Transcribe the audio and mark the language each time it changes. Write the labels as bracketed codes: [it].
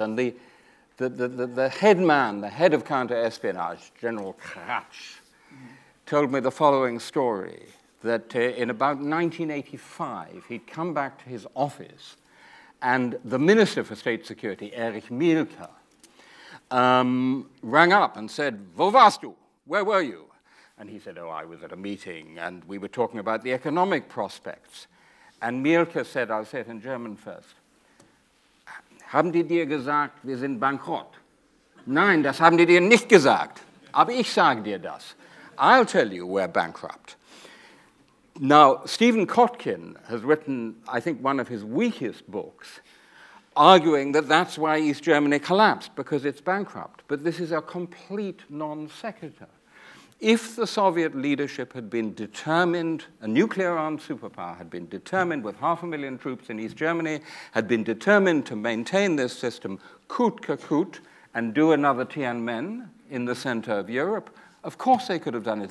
[en] And the head man, the head of counter-espionage, General Kratsch, told me the following story, that in about 1985, he'd come back to his office and the Minister for State Security, Erich Mielke, rang up and said, [de] "Wo warst du? [en] Where were you?" And he said, "Oh, I was at a meeting and we were talking about the economic prospects." And Mielke said, I'll say it in German first, [de] "Haben die dir gesagt, wir sind bankrott?" "Nein, das haben die dir nicht gesagt. Aber ich sage dir das. [en] I'll tell you we're bankrupt." Now, Stephen Kotkin has written, I think, one of his weakest books, arguing that that's why East Germany collapsed, because it's bankrupt. But this is a complete non sequitur. If the Soviet leadership had been determined, a nuclear-armed superpower had been determined with 500,000 troops in East Germany, had been determined to maintain this system, [fr] coûte que coûte, [en] and do another Tiananmen in the center of Europe, of course they could have done it.